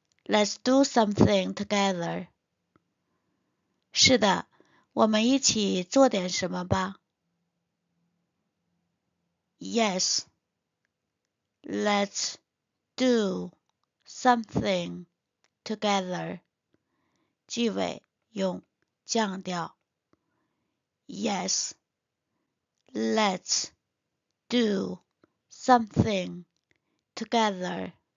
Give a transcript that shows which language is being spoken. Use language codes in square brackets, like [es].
[en] Let's do something together. [zh] 是的，我们一起做点什么吧。 [en] Yes, let's do something together. [zh] 句尾用降调。 [en] Yes, let's do something together.